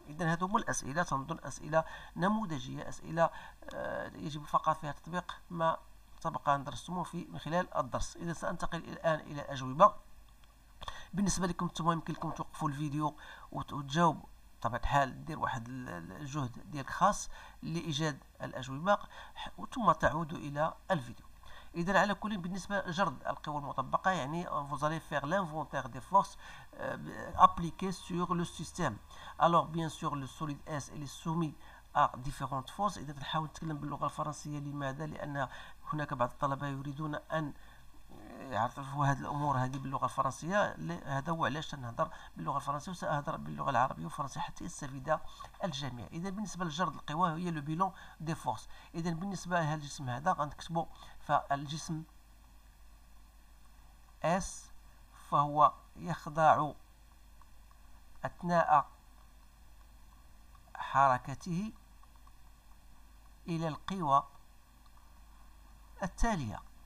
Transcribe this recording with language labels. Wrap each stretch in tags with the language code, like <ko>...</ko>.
<ar>إذا هذه هم الأسئلة، تنظر أسئلة نموذجية، أسئلة يجب فقط فيها تطبيق ما سبق أن درستموه في من خلال الدرس. إذا سأنتقل الآن إلى الأجوبة بالنسبة لكم، ثم يمكن لكم توقفوا الفيديو وتجاوب طبعا حال دير واحد الجهد ديالك خاص لإيجاد الأجوبة ثم تعود إلى الفيديو. إذا على كل، بالنسبة لجرد القوى المطبقة يعني</ar> <fr>vous allez faire l'inventaire des forces appliquées sur le système. Alors bien sûr le solide S est soumis à différentes forces.</fr> <ar>إذا تحاول تتكلم باللغة الفرنسية، لماذا؟ لأن هناك بعض الطلبة يريدون أن يعرفوا هذه الأمور هذه باللغة الفرنسية، هذا هو علاش نهضر باللغة الفرنسية وسأهضر باللغة العربية والفرنسية حتى يستفيد الجميع. إذا بالنسبة لجرد القوى هي</ar> <fr>لو بيلون دي فورس.</fr> <ar>إذا بالنسبة للجسم هذا غنكتبوا، فالجسم S فهو يخضع أثناء حركته إلى القوى التالية.</ar>